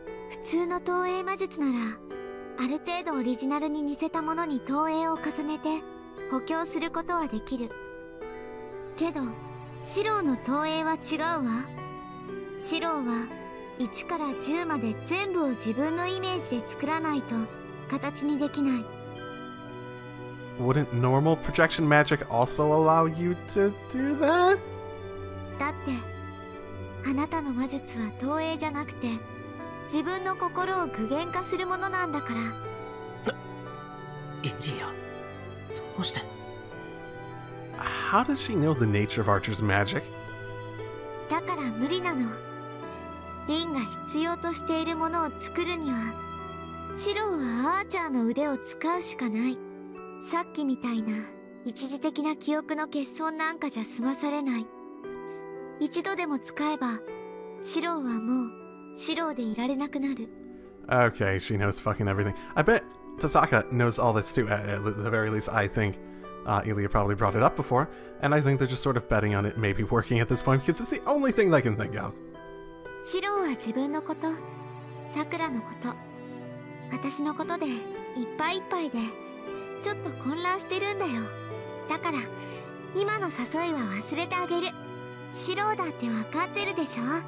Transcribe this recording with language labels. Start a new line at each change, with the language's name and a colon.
Japanese: 普通の投影魔術なら、ある程度オリジナルに似せたものに投影を重ねて補強することはできる。けど、シローの投影は違うわ。シローは1から10まで全部を自分のイメージで作らないと。形にできない。
English: Wouldn't normal projection magic also allow you to do that?
Japanese: だって、あなたの魔術は投影じゃなくて、自分の心を具現化するものなんだから。イリア、どうして
English: ?How does she know the nature of Archer's magic?
Japanese: だから無理なの。リンが必要としているものを作るには、シローはアーチャーの腕を使うしかない。さっきみたいな一時的な記憶の欠損なんかじゃ済まされない。一度でも使えば、シローはもうシローでいられなくなる。
English: Okay, she knows fucking everything. I bet Tosaka knows all this too, at the very least, I think. Ilya probably brought it up before, and I think they're just sort of betting on it maybe working at this point, because it's the only thing they can think of.
Japanese: シローは自分のこと、サクラのこと、私のことでいっぱいいっぱいでちょっと混乱してるんだよ。だから今の誘いは忘れてあげる。シローだってわかってるでしょ。